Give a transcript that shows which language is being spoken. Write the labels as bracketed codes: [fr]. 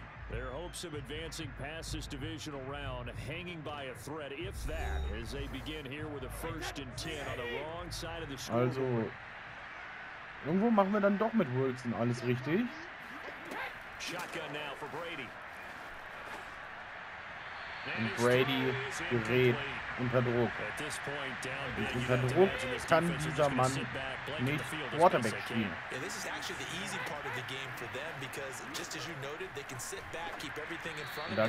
[en] Their hopes of advancing past this divisional round hanging by a thread, if that, as they begin here with a first and 10 on the wrong side of the screen. [de] Also, irgendwo machen wir dann doch mit Wilson alles richtig. [en] Shotgun now for Brady. [de] Und Brady gerät unter Druck. Und unter Druck kann dieser Mann nicht Quarterback spielen. [en] Yeah, this is actually the easy part of the game for them, because just as you noted, they can sit back, keep everything in front of them.